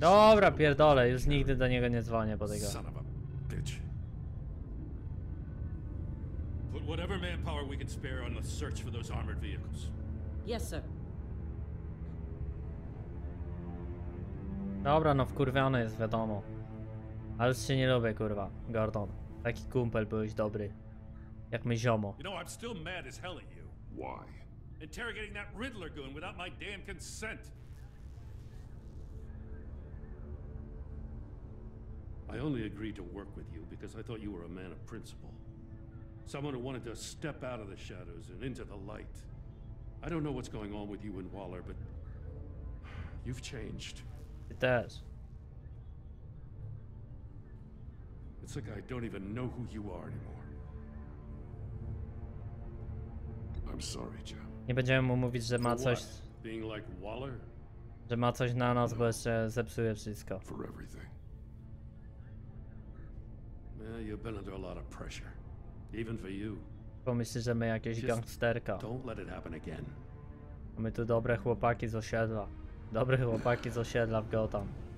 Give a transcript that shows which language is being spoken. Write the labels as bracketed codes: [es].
[pl] Dobra, pierdolę, już nigdy do niego nie dzwonię po tego. [en] Son of a bitch. Put whatever manpower we can spare on the search for those armored vehicles. Yes, sir. [pl] Dobra, no wkurwiony jest, wiadomo. Ale już się nie lubię, kurwa, Gordon. Taki kumpel byłeś dobry. Jak my ziomo. [en] You know, I'm still mad as hell at you. Why? Interrogating that Riddler goon without my damn consent. I only agreed to work with you because I thought you were a man of principle. Someone who wanted to step out of the shadows and into the light. I don't know what's going on with you and Waller, but you've changed. It does. It's like I don't even know who you are anymore. I'm sorry, Jim. [pl] Nie będziemy mu mówić, że ma coś. [en] Being like Waller? [pl] Że ma coś na nas, no. Bo jeszcze zepsuje wszystko. [en] For everything. Well, you've been under a lot of pressure. Even for you. [pl] Pomyślisz, że my jakieś gangsterka. [en] Don't let it happen again. [pl] My tu dobre chłopaki z osiedla. Dobre chłopaki z osiedla w Gotham.